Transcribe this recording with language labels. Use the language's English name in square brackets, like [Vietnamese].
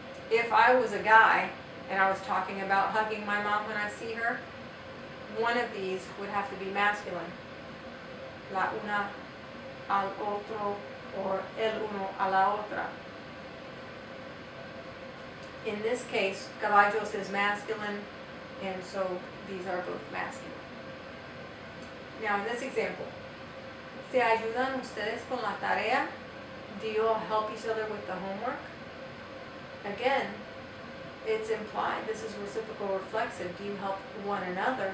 [English] If I was a guy and I was talking about hugging my mom when I see her, one of these would have to be masculine. [Spanish] La una al otro or el uno a la otra. [English] In this case, caballos is masculine, and so these are both masculine. Now, in this example, [Spanish] ¿se ayudan ustedes con la tarea? [English] Do you all help each other with the homework? Again, it's implied, this is reciprocal reflexive, do you help one another?